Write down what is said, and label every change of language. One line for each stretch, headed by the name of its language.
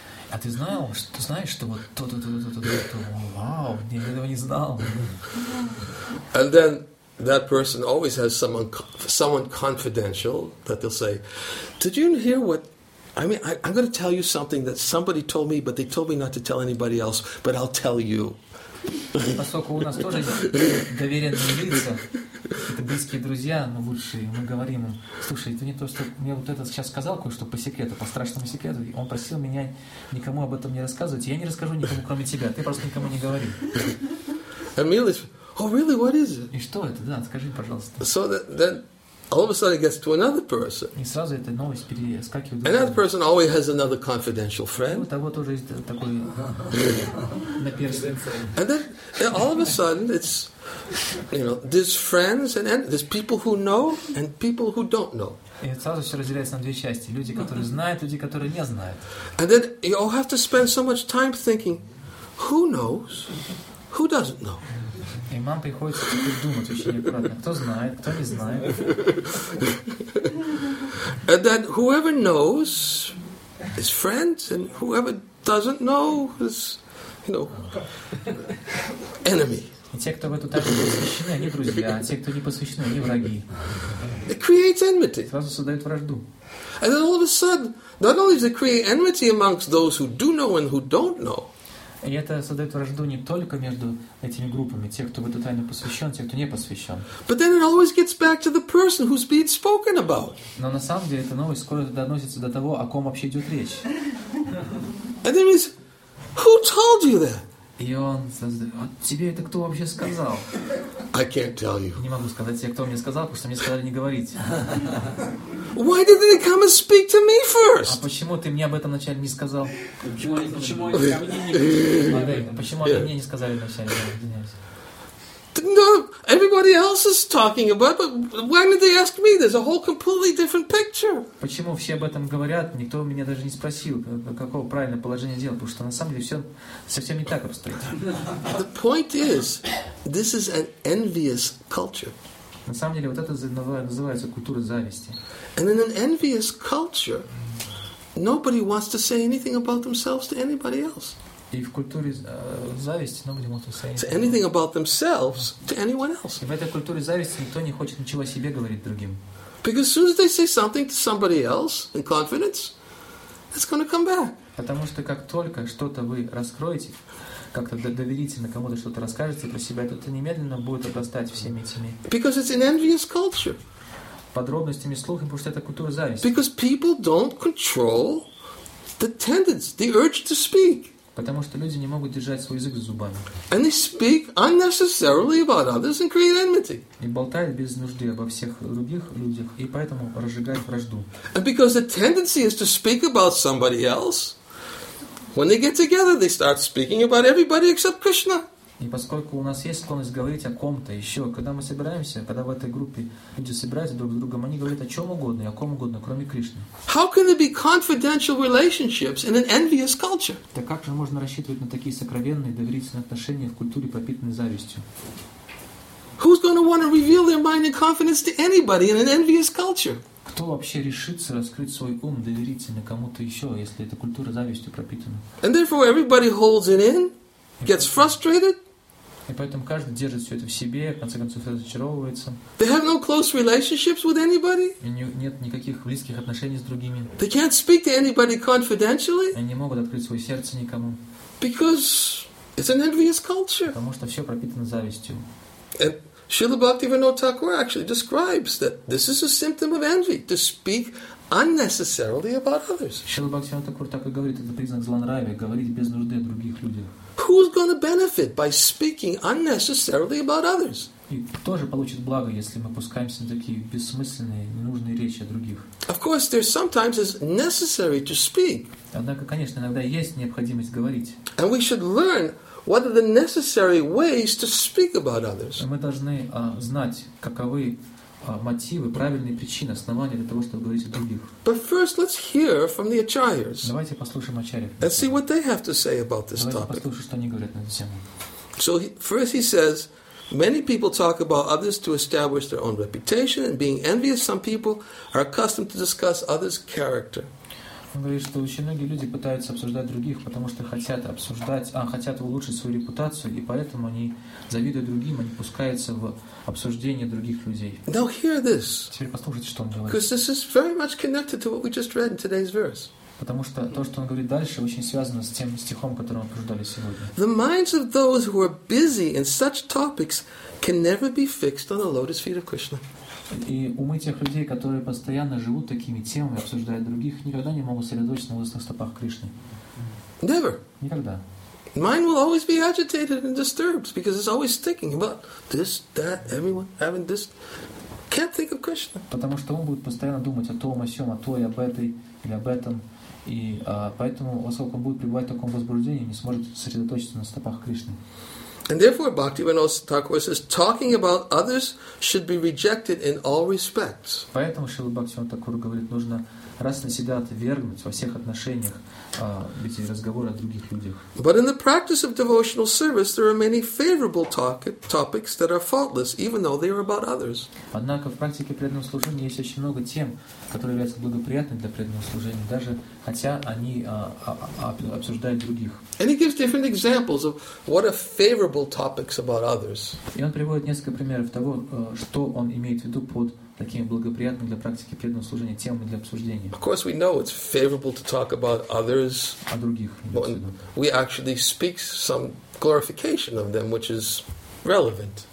Russian: А ты знал, что знаешь, что вот то-то-то-то-то-то, вау, я этого не знал.
English: And then that person always has someone confidential that they'll say, did you hear what, I mean, I'm going to tell you something that somebody told me, but they told me not to tell anybody else, but I'll tell you.
Russian: Поскольку у нас тоже доверенные лица, это близкие друзья, но лучшие, мы говорим им, слушай, это не то, что мне вот этот сейчас сказал кое-что по секрету, по страшному секрету, он просил меня никому об этом не рассказывать, я не расскажу никому, кроме тебя, ты просто никому не говори.
English: Oh, really? What is it?
Russian: И что это? Да, скажи, пожалуйста.
English: So then, all of a sudden, it gets to another person.
Russian: И сразу эта новость перескакивает.
English: And that person always has another confidential friend.
Russian: У того тоже есть такой наперсник.
English: And then, all of a sudden, it's, you know, there's friends and there's people who know and people who don't know.
Russian: И сразу все разделяется на две части: люди, которые знают, люди, которые не знают.
English: And then you all have to spend so much time thinking, who knows, who doesn't know.
Russian: И мам приходится думать очень аккуратно. Кто знает, кто не знает.
English: And then whoever knows is friends, and whoever doesn't know is, you know, enemy.
Russian: И те, кто в эту тайну посвящены, они друзья. А те, кто не посвящены, они враги.
English: It creates enmity.
Russian: Сразу создают вражду.
English: And then all of a sudden, not only does it create enmity amongst those who do know and who don't know.
Russian: И это создает вражду не только между этими группами, те, кто в эту тайну посвящен, те, кто не посвящен.
English: But then it always gets back to the person who's being spoken about.
Russian: Но на самом деле эта новость скоро доносится до того, о ком вообще идет речь.
English: And then he's, who told you that?
Russian: И он создает, тебе это кто вообще сказал?
English: I can't tell you.
Russian: Не могу сказать тебе, кто мне сказал, потому что мне сказали не говорить.
English: Why did they come and speak to me first?
Russian: А почему ты мне об этом вначале не сказал? Почему они мне не сказали вначале?
English: No, everybody else is talking about, but why did they ask me? There's a whole completely different picture.
Russian: Почему все об этом говорят? Никто меня даже не спросил, какого правильного положения дел, потому что на самом деле все совсем не так обстоит.
English: The point is, this is an envious culture.
Russian: На самом деле вот это называется культура зависти.
English: And in an envious culture, nobody wants to say anything about themselves to anybody else.
Russian: И в культуре зависти
English: nobody wants to say anything. So anything about themselves to anyone else.
Russian: И в этой культуре зависти никто не хочет ничего о себе говорить другим.
English: Because as soon as they say something to somebody else in confidence, it's going to come back.
Russian: Потому что как только что-то вы раскроете, как-то доверительно кому-то что-то расскажете про себя, то это немедленно будет обрастать всеми этими.
English: Because it's an envious culture.
Russian: Подробностями, слухами, потому что это культура зависти.
English: Because people don't control the tendency, the urge to speak.
Russian: Потому что люди не могут держать свой язык за зубами.
English: And they speak unnecessarily about others and create enmity.
Russian: И болтают без нужды обо всех других людях, и поэтому разжигают вражду.
English: And because the tendency is to speak about somebody else, when they get together, they start speaking about everybody except Krishna.
Russian: И поскольку у нас есть склонность говорить о ком-то еще, когда мы собираемся, когда в этой группе люди собираются друг с другом, они говорят о чем угодно, о ком угодно, кроме Кришны.
English: How can there be confidential relationships in an envious culture?
Russian: Так как же можно рассчитывать на такие сокровенные, доверительные отношения в культуре, пропитанной завистью?
English: Who's going to want to reveal their mind and confidence to anybody in an envious culture?
Russian: Кто вообще решится раскрыть свой ум доверительно кому-то еще, если эта культура завистью пропитана?
English: And therefore everybody holds it in. Gets frustrated.
Russian: И поэтому каждый держит все это в себе, в конце концов разочаровывается.
English: They have no close relationships with anybody.
Russian: Нет никаких близких отношений с другими.
English: They can't speak to anybody confidentially.
Russian: Они не могут открыть свое сердце никому.
English: Because it's an envious culture.
Russian: Потому что все пропитано завистью.
English: And Srila Bhaktivinoda Thakura actually describes that this is a symptom of envy, to speak unnecessarily about others.
Russian: Srila Bhaktivinoda Thakura так и говорит, это признак злонравия, говорить без нужды о других людях.
English: Who's going to benefit by speaking unnecessarily about others?
Russian: И кто же получит благо, если мы пускаемся на такие бессмысленные, ненужные речи о других?
English: Of course, there sometimes is necessary to speak.
Russian: Однако, конечно, иногда есть необходимость говорить.
English: And we should learn what are the necessary ways to speak about others.
Russian: Мы должны знать, каковы мотивы, правильные причины, основания для того, чтобы говорить о других.
English: But first, let's hear from the acharyas.
Russian: Давайте послушаем ачарьев.
English: And see what they have to say about this topic.
Russian: Давайте послушаем, что они говорят на эту тему.
English: So first he says, many people talk about others to establish their own reputation, and being envious, some people are accustomed to discuss others' character.
Russian: Он говорит, что очень многие люди пытаются обсуждать других, потому что хотят улучшить свою репутацию, и поэтому они завидуют другим, они пускаются в обсуждение других людей.
English: Now hear this.
Russian: Теперь послушайте, что он говорит.
English: Because this is very much connected to what we just read in today's verse.
Russian: Потому что то, что он говорит дальше, очень связано с тем стихом, который мы обсуждали сегодня.
English: The minds of those who are busy in such topics can never be fixed on the lotus feet of Krishna.
Russian: И умы тех людей, которые постоянно живут такими темами, обсуждая других, никогда не могут сосредоточиться на лотосных стопах Кришны.
English: Never.
Russian: Никогда.
English: Mind will always be agitated and disturbed because it's always thinking about this, that, everyone having this. Can't think of Krishna.
Russian: Потому что он будет постоянно думать о том, о сём, о той, об этой или об этом. И поэтому, поскольку он будет пребывать в таком возбуждении, не сможет сосредоточиться на стопах Кришны.
English: And therefore, Bhaktivinoda Thakur says, talking about others should be rejected in all respects.
Russian: Поэтому Шрила Бхактивинода Такур говорит, нужно раз навсегда отвергнуть во всех отношениях эти разговоры о других людях.
English: But in the practice of devotional service, there are many favorable topics that are faultless, even though they are about others.
Russian: Однако в практике преданного служения есть очень много тем, которые являются благоприятными для преданного служения, даже хотя они обсуждают других.
English: And he gives different examples of what are favorable topics about others.
Russian: И он приводит несколько примеров того, что он имеет в виду под такими благоприятными для практики преданного служения темами для обсуждения.
English: Of course, we know it's favorable to talk about others.
Russian: О других.
English: We actually speak some glorification of them, which is relevant.